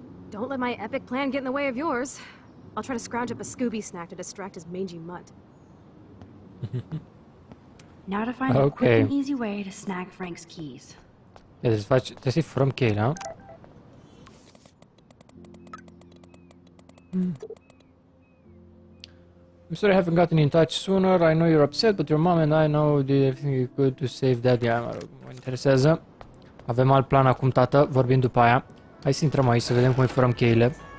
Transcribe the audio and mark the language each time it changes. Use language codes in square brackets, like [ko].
[en] Don't let my epic plan get in the way of yours. I'll try to scrounge up a Scooby snack to distract his mangy mutt. Now to find a quick and easy way to snag Frank's keys. [ro] Trebuie să-i furăm cheile, nu? [en] I'm sorry I haven't gotten in touch sooner. I know you're upset, but your mom and I know did everything you could to save daddy. [ro] Mă rog, mă interesează. Avem alt plan acum, tată. Vorbim după aia. Hai să intrăm aici să vedem cum îi furăm cheile.